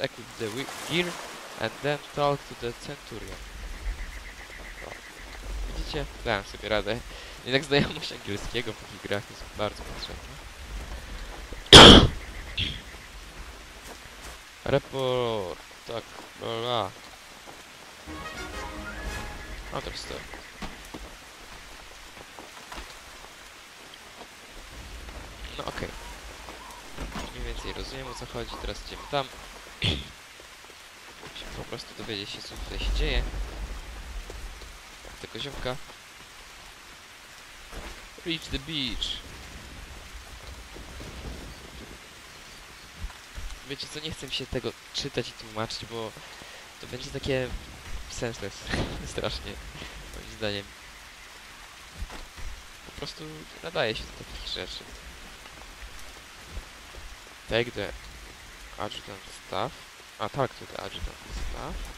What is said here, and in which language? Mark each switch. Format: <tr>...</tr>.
<en>Equip the gear and then talk to the centurion.</en> <pl>Widzicie? Dałem sobie radę. Jednak znajomość angielskiego w tych grach jest bardzo potrzebna. Report. Tak, bla. A teraz to. No okej. Okay. Mniej więcej rozumiem, o co chodzi. Teraz idziemy tam. Musimy po prostu dowiedzieć się, co tutaj się dzieje. Tego ziomka.</pl> <en>Reach the beach.</en> <pl>Wiecie co, nie chcę mi się tego czytać i tłumaczyć, bo to będzie takie senseless, strasznie, moim zdaniem. Po prostu nadaje się do takich rzeczy.</pl> <en>Take the adjutant staff.</en> <pl>A tak,</pl> <en>to the adjutant staff.</en>